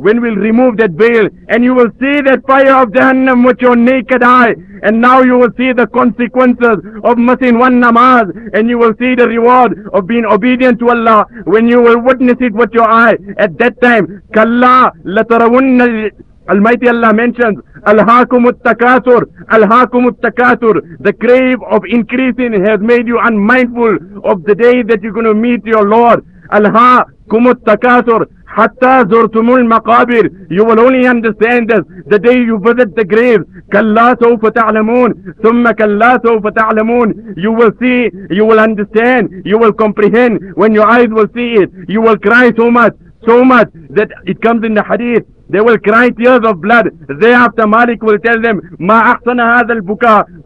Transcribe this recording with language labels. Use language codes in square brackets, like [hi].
[en] When we'll remove that veil, and you will see that fire of Jahannam with your naked eye, and now you will see the consequences of missing one namaz, and you will see the reward of being obedient to Allah when you will witness it with your eye. At that time, [ar] كَلَّا لَتَرَوُنَّ. [en] Almighty Allah mentions, [ar] أَلْهَاكُمُ التَّكَاثُرُ. أَلْهَاكُمُ التَّكَاثُرُ. [en] The crave of increasing has made you unmindful of the day that you're going to meet your Lord. [ar] أَلْهَاكُمُ التَّكَاثُرُ حَتَّى زُرْتُمُ الْمَقَابِرُ. [en] You will only understand this the day you visit the grave. [ar] كَلَّا سَوْفَ تَعْلَمُونَ ثُمَّ كَلَّا سَوْفَ تَعْلَمُونَ. [en] You will see, you will understand, you will comprehend when your eyes will see it. You will cry so much, so much that it comes in the hadith. They will cry tears of blood. Thereafter, Malik will tell them, [ar] مَا أَحْسَنَ هَذَا الْبُكَى.